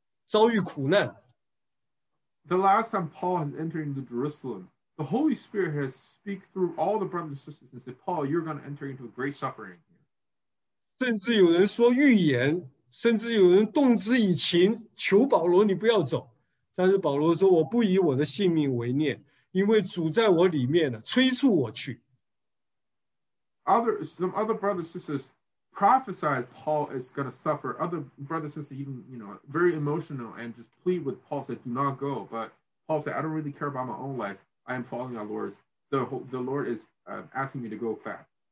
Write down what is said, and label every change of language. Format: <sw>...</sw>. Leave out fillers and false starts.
<zh>保罗最后一次进耶路撒冷，一路都有圣灵借着弟兄姊妹警告，说保罗会在耶路撒冷遭遇苦难。</zh> <en>The last time Paul has entered into Jerusalem, the Holy Spirit has speak through all the brothers and sisters and said, Paul, you're going to enter into a great suffering here.</en> <zh>甚至有人说预言，甚至有人动之以情，求保罗你不要走。但是保罗说，我不以我的性命为念，因为主在我里面呢，催促我去。</zh> <en>Some other brothers and sisters prophesied Paul is going to suffer. Other brothers and sisters, even, you know, very emotional and just plead with Paul, said, do not go. But Paul said, I don't really care about my own life. I am following our Lord's. The Lord is asking me to go fast.</en>